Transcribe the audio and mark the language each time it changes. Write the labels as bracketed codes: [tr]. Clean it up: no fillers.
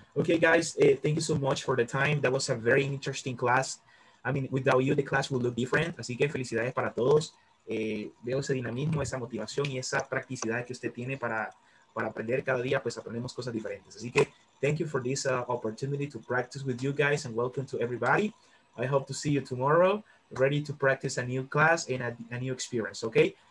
[en] Okay, guys, thank you so much for the time. That was a very interesting class. I mean, without you, the class would look different. [es] Así que felicidades para todos. Veo ese dinamismo, esa motivación y esa practicidad que usted tiene para aprender cada día, pues aprendemos cosas diferentes. [en] Así que thank you for this opportunity to practice with you guys and welcome to everybody. I hope to see you tomorrow, ready to practice a new class and a new experience, okay?